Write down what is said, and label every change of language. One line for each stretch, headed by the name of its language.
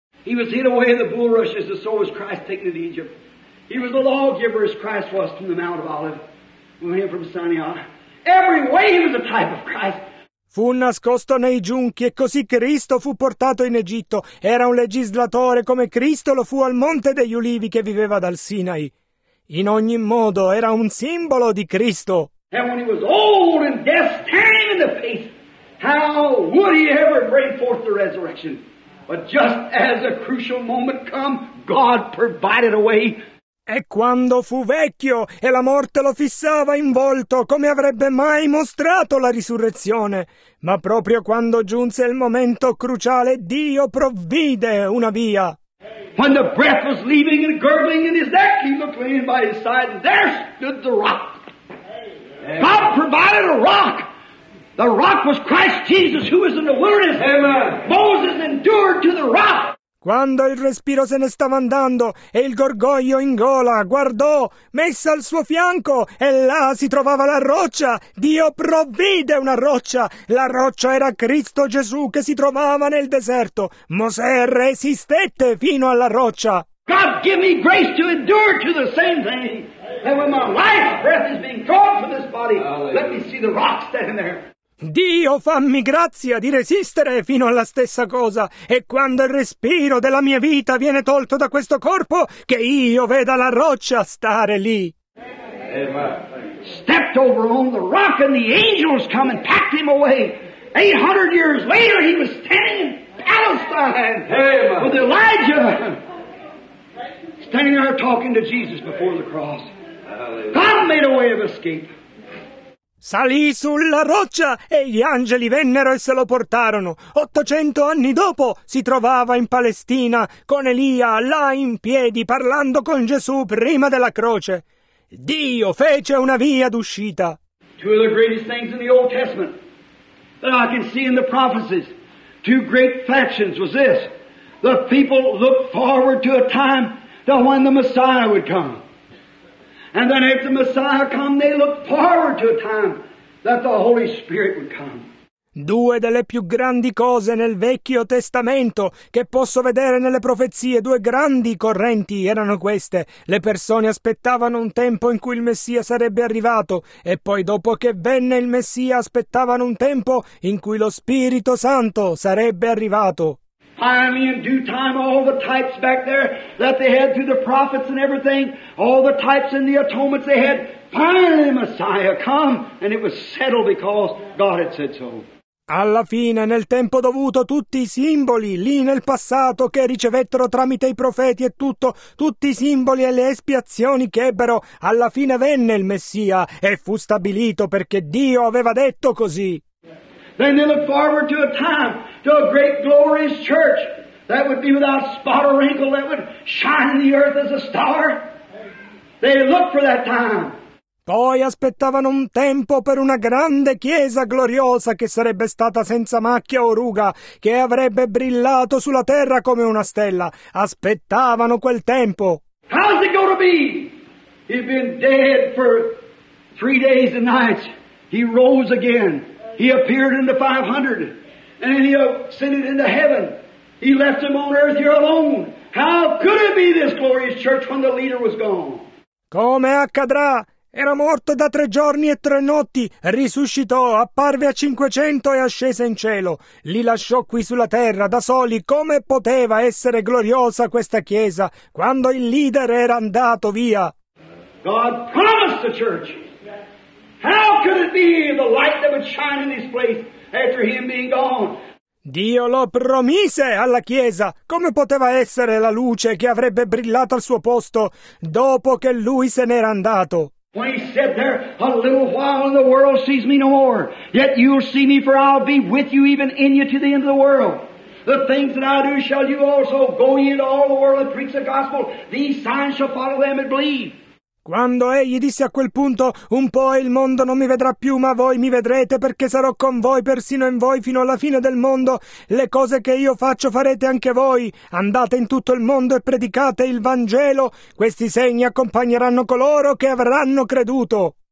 English: He was hid away in the bulrushes, and so was Christ taken in Egypt. He was the lawgiver, as Christ was from the Mount of Olives, with him from Sinai. Every way he was a type of Christ.
Italian: Fu nascosto nei giunchi e così Cristo fu portato in Egitto. Era un legislatore come Cristo lo fu al Monte degli Ulivi che viveva dal Sinai. In ogni modo era un simbolo di Cristo.
English: And when he was old and death standing in the face, how would he ever bring forth the resurrection? But just as a crucial moment come, God provided a way.
Italian: E quando fu vecchio e la morte lo fissava in volto, come avrebbe mai mostrato la risurrezione? Ma proprio quando giunse il momento cruciale, Dio provvide una via.
English: When the breath was leaving and gurgling in his neck, he looked clean by his side, and there stood the rock. God provided a rock. The rock was Christ Jesus, who was in the wilderness. Amen. Moses endured to the rock.
Italian: Quando il respiro se ne stava andando e il gorgoglio in gola, guardò, messa al suo fianco, e là si trovava la roccia. Dio provvide una roccia. La roccia era Cristo Gesù che si trovava nel deserto. Mosè resistette fino alla roccia.
English: God, give me grace to endure to the same thing. And when my life's breath is being drawn from this body, let me see the rock standing there.
Italian: Dio, fammi grazia di resistere fino alla stessa cosa, e quando il respiro della mia vita viene tolto da questo corpo, che io veda la roccia stare lì.
English: Amen. Stepped over on the rock and the angels come and packed him away. 800 years later he was standing in Palestine. Amen. With Elijah. Standing there talking to Jesus before the cross. God made a way of escape.
Italian: Salì sulla roccia e gli angeli vennero e se lo portarono. 800 anni dopo si trovava in Palestina con Elia là in piedi parlando con Gesù prima della croce. Dio fece una via d'uscita.
English: Two of the greatest things in the Old Testament that I can see in the prophecies, two great factions was this. The people looked forward to a time to when the Messiah would come. And then after the Messiah come, they looked forward to a time that the Holy Spirit would come.
Italian: Due delle più grandi cose nel Vecchio Testamento che posso vedere nelle profezie, due grandi correnti erano queste. Le persone aspettavano un tempo in cui il Messia sarebbe arrivato, e poi dopo che venne il Messia aspettavano un tempo in cui lo Spirito Santo sarebbe arrivato.
English: Finally, in due time, all the types back there that they had through the prophets and everything, all the types and the atonements they had, finally Messiah come, and it was settled because God had said so.
Italian: Alla fine, nel tempo dovuto, tutti i simboli lì nel passato che ricevettero tramite i profeti e tutto, tutti i simboli e le espiazioni che ebbero, alla fine venne il Messia e fu stabilito perché Dio aveva detto così.
English: Then they looked forward to a time, to a great glorious church that would be without spot or wrinkle, that would shine the earth as a star. They looked for that time.
Italian: Poi aspettavano un tempo per una grande chiesa gloriosa che sarebbe stata senza macchia o ruga, che avrebbe brillato sulla terra come una stella. Aspettavano quel tempo.
English: How's it going to be? He's been dead for 3 days and nights, he rose again. He appeared in the 500, and then he ascended into heaven. He left him on earth here alone. How could it be this glorious church when the leader was gone?
Italian: Come accadrà? Era morto da 3 giorni e 3 notti, risuscitò, apparve a 500 e ascese in cielo. Li lasciò qui sulla terra, da soli. Come poteva essere gloriosa questa chiesa quando il leader era andato via?
English: God promised the church. How could it be the light that would shine in this place after him being gone?
Italian: Dio lo promise alla Chiesa. Come poteva essere la luce che avrebbe brillato al suo posto dopo che lui se n'era andato?
English: When he said there, a little while and the world sees me no more, yet you'll see me, for I'll be with you even in you to the end of the world. The things that I do shall you also, go ye into all the world and preach the gospel, these signs shall follow them that believe.
Italian: Quando egli disse a quel punto, un po' il mondo non mi vedrà più, ma voi mi vedrete, perché sarò con voi persino in voi fino alla fine del mondo. Le cose che io faccio farete anche voi. Andate in tutto il mondo e predicate il Vangelo. Questi segni accompagneranno coloro che avranno creduto.